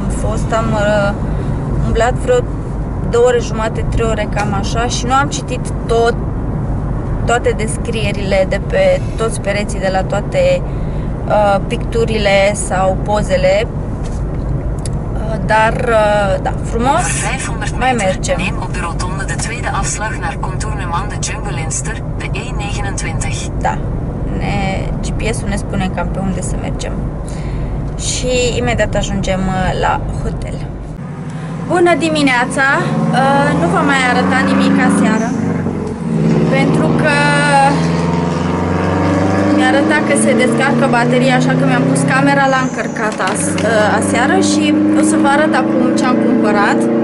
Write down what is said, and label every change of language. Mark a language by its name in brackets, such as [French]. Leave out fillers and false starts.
[Romanian] Am umblat vreo 2 ore jumate, 3 ore, cam așa, și nu am citit toate descrierile de pe toți pereții, de la toate picturile sau pozele, dar da, frumos, mai mergem. [Dutch] Neem op de rotonde de tweede afslag naar contourneman de Jungleinster, [Romanian] pe E29. Da, GPS-ul ne spune cam pe unde să mergem. Și imediat ajungem la hotel. Bună dimineața! Nu v-am mai arătat nimic aseară, pentru că mi-a arătat că se descarcă bateria, așa că mi-am pus camera la încărcat aseară și o să vă arăt acum ce am cumpărat.